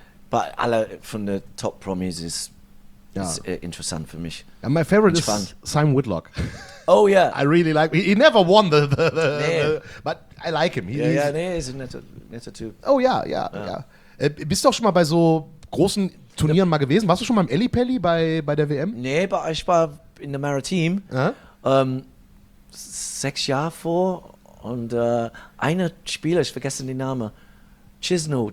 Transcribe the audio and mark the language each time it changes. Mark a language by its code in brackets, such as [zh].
[de] Aber alle von den Top-Promis ist, ja, ist interessant für mich. [en] Ja, my favorite ist fun. Simon Whitlock. Oh, ja. Yeah. I really like him. He never won the but I like him. [de] Nee, ist ein netter Typ. Oh, ja, ja, ja. Bist du auch schon mal bei so großen Turnieren mal gewesen? Warst du schon mal im Ellipelli bei der WM? Nee, aber ich war in der Maritime. Ja? 6 Jahre vor und einer Spieler, ich vergesse den Namen, Chisnell.